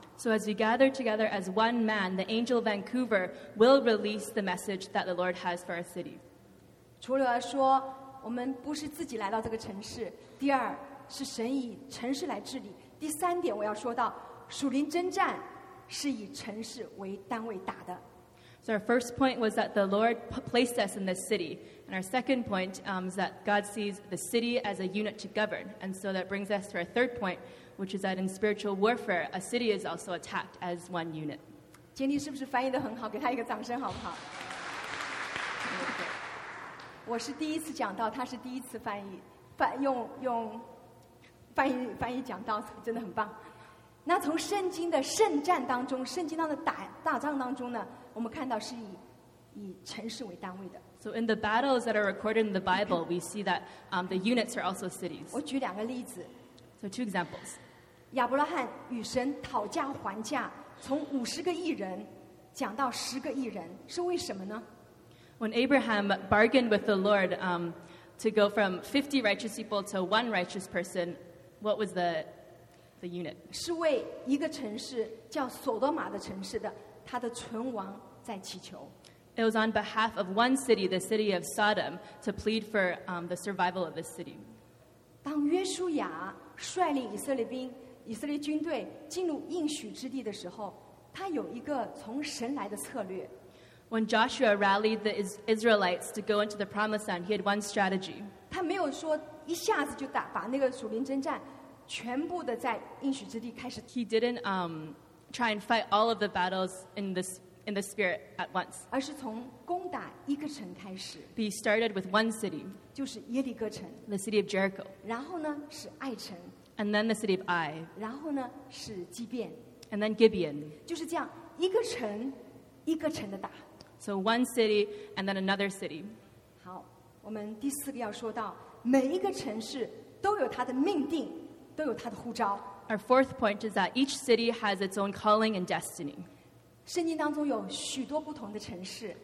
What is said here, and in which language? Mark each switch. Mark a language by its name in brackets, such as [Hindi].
[English] So as we gather together as one man, the angel of Vancouver will release the message that the Lord has for our city. [Chinese] 除了说我们不是自己来到这个城市，第二是神以城市来治理。第三点我要说到，属灵征战是以城市为单位打的。 [English] So our first point was that the Lord placed us in this city. And our second point is that God sees the city as a unit to govern. And so that brings us to our third point, which is that in spiritual warfare, a city is also attacked as one unit. [Chinese] 简历是不是翻译得很好？给他一个掌声好不好？我是第一次讲到，他是第一次翻译，用翻译讲到，真的很棒。那从圣经的圣战当中，圣经当中的大仗当中呢，我们看到是以城市为单位的。 [English] So in the battles that are recorded in the Bible, we see that the units are also cities. [Chinese] 我举两个例子。 [English] So two examples. [Chinese] 亚伯拉罕与神讨价还价，从五十个义人讲到十个义人，是为什么呢？ [English] When Abraham bargained with the Lord to go from 50 righteous people to one righteous person, what was the unit? [Chinese] 是为一个城市叫索多玛的城市的他的存亡在祈求。 [English] It was on behalf of one city, the city of Sodom, to plead for the survival of this city. [Chinese] 当约书亚率领以色列军队进入应许之地的时候，他有一个从神来的策略。 [English] When Joshua rallied the Israelites to go into the Promised Land, he had one strategy. [Chinese] 他没有说一下子就把那个属灵征战全部的在应许之地开始。 [English] He didn't try and fight all of the battles in the spirit at once. [Chinese] 而是从攻打一个城开始。 [English] He started with one city. [Chinese] 就是耶利哥城。 [English] The city of Jericho. [Chinese] 然后呢是爱城。 [English] And then the city of Ai. [Chinese] 然后呢是基遍。 [English] And then Gibeon. [Chinese] 就是这样一个城一个城的打。 [English] So one city and then another city. [Chinese] 好，我们第四个要说到，每一个城市都有它的命定，都有它的呼召。 [English] Our fourth point is that each city has its own calling and destiny. [Chinese] 圣经当中有许多不同的城市。